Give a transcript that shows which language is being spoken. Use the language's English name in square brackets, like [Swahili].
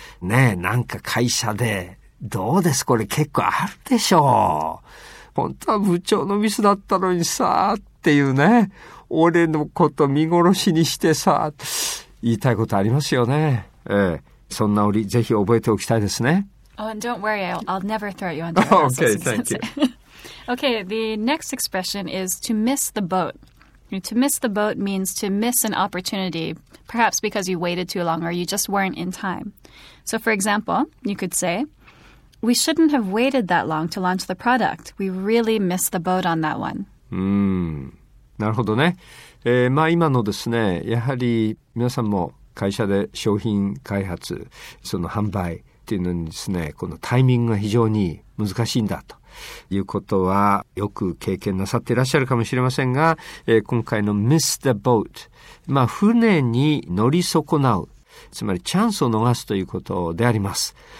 [Japanese] ねえ、なんか会社でどうです、これ結構あるでしょう。本当は部長のミスだったのにさーっていうね、俺のこと見殺しにしてさー、言いたいことありますよね。そんな折、ぜひ覚えておきたいですね。 [English] Oh, and don't worry, I'll never throw you under the bus. Okay, thank you. Okay, the next expression is to miss the boat. To miss the boat means to miss an opportunity, perhaps because you waited too long or you just weren't in time. So, for example, you could say, we shouldn't have waited that long to launch the product. We really missed the boat on that one. [Japanese] なるほどね。まあ今のですね、やはり皆さんも会社で商品開発、その販売っていうのにですね、このタイミングが非常に難しいんだということはよく経験なさっていらっしゃるかもしれませんが、今回の miss the boat、まあ船に乗り損なう、つまりチャンスを逃すということであります。